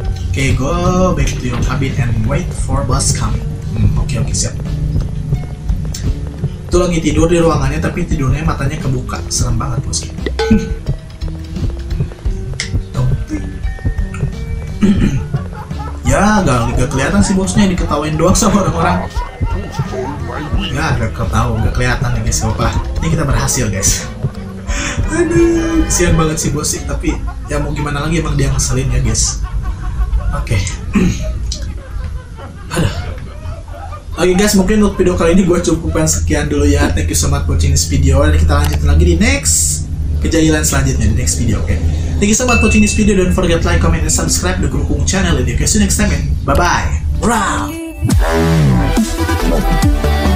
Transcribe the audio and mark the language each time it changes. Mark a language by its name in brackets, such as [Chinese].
[English] Oke, go back to your cabin and wait for bus coming. [Indonesian] Oke, siap. Itu lagi tidur di ruangannya, tapi tidurnya matanya kebuka. Serem banget, bos. Ya, gak kelihatan sih bosnya. Diketawain doang sama orang-orang. Gak ketawa, gak kelihatan ya, guys. Apa? Ini kita berhasil, guys. Aduh, kasihan banget si bos sih, tapi ya mau gimana lagi, emang dia ngeselin ya guys. Oke. Okay. Aduh. Oke guys, mungkin untuk video kali ini gue cukupkan sekian dulu ya. [English] Thank you so much for watching this video. [Indonesian] Dan kita lanjutin lagi di next kejailan selanjutnya, di next video, oke. [English] Okay? Thank you so much for watching this video. Don't forget like, comment, and subscribe the Krukung channel. Okay, see you next time, man. Bye-bye. Bye.